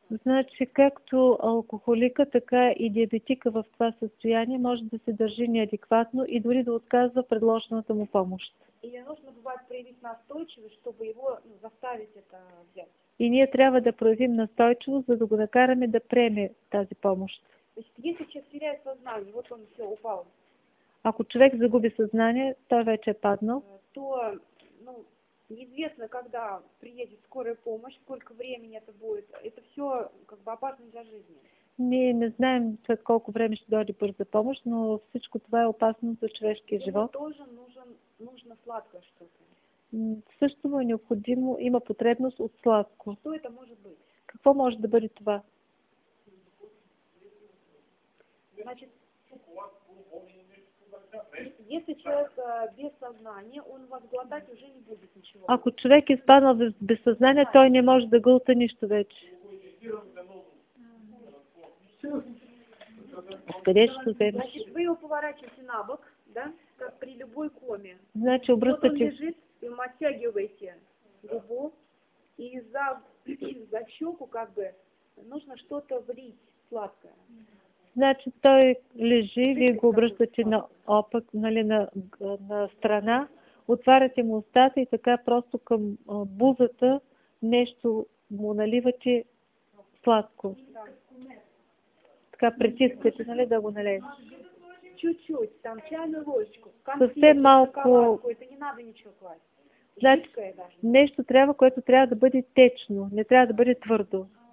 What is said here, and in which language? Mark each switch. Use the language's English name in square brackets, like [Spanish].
[Bulgarian] Значи, както алкохолика, така и диабетика в това състояние може да се държи неадекватно и дори да отказва предложената му помощ. [Russian] И не нужно бывает проявить настойчивость, чтобы его заставить это взять. [Bulgarian] И ние трябва да проявим настойчивост, за да го накараме да приеме тази помощ. [Russian] Значит, если человек теряет сознание, вот он все упал. [Bulgarian] Ако човек загуби съзнание, той вече е паднал. [Russian] То неизвестно, когда приедет скорая помощь, сколько времени это будет. Это все как бы опасно для жизни. [Bulgarian] Ние не знаем след колко време ще дойде бърза помощ, но всичко това е опасно за човешкия живот. [Russian] Ему тоже нужно сладкое что-то. [Bulgarian] Също му е необходимо, има потребност от сладко. [Russian] Что это может быть? [Bulgarian] Какво може да бъде това? [Russian] Значит, если человек без сознания, он возглотать уже не будет ничего. [Bulgarian] Ако човек изпаднал без сознание, той не може да глута нищо вече. Откъде ще го вземеш? [Russian] Значит, вы его поворачиваете на бок, да? Как при любой коме. [Bulgarian] Значи, обръщате. [Russian] Вот он лежит, и вы оттягиваете губу, и за щеку как бы нужно что-то влить сладкое. [Bulgarian] Значи той лежи, вие го обръщате наопак, нали, на страна, отваряте му устата и така просто към бузата нещо му наливате сладко. Така притискате, нали, да го налеете. [Russian] Чуть-чуть, там чайну ложечку. [Bulgarian] Съвсем малко. [Russian] Какова, не надо ничего класть. [Bulgarian] Значи, нещо трябва, което трябва да бъде течно, не трябва да бъде твърдо.